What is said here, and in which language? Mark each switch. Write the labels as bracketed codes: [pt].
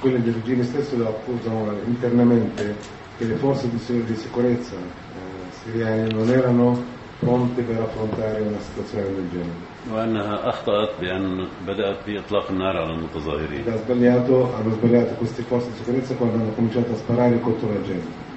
[ar] كل الدرجين [it] stesso lo accusano internamente che le forze di sicurezza siriane non erano pronte per affrontare una situazione del genere. [ar] وأنها أخطأت بأن بدأت بإطلاق النار على المتظاهرين. [it] Ha sbagliato, hanno sbagliato queste forze di sicurezza quando hanno cominciato a sparare contro la gente.